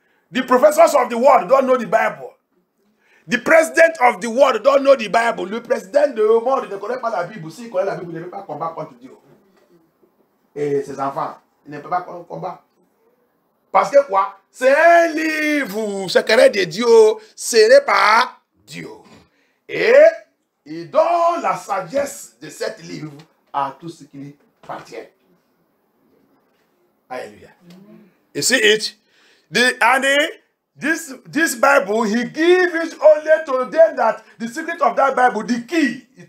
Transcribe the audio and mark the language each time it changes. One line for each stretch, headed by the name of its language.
English: The professors of the world don't know the Bible. The president of the world don't know the Bible.
French: Le président du monde ne connaît pas la Bible. S'il connaît la Bible, il ne peut pas combattre contre Dieu. Et ses enfants, il ne peut pas combattre. Parce que quoi? C'est un livre secret de Dieu. Ce n'est pas Dieu. Et il donne la sagesse de cet livre à tout ce qui lui appartient.
English: Alléluia. You see it? This Bible, he gives it only to them that the secret of that Bible, the key.